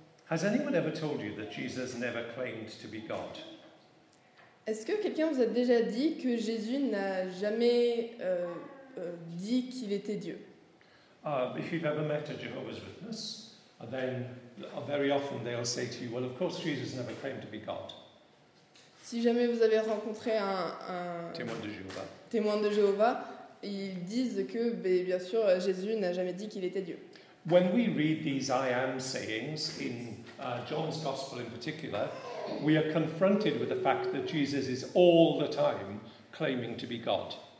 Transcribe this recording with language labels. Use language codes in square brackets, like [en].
[en] Has anyone ever told you that Jesus never claimed to be God? [fr] Est-ce que quelqu'un vous a déjà dit que Jésus n'a jamais dit qu'il était Dieu? [en] If you've ever met a Jehovah's Witness, then very often they'll say to you, well, of course Jesus never claimed to be God. [fr] Si jamais vous avez rencontré un témoin de Jéhovah, ils disent que, bien sûr, Jésus n'a jamais dit qu'il était Dieu. [en] When we read these I am sayings in John's Gospel in particular, we are confronted with the fact that Jesus is all the time claiming to be God.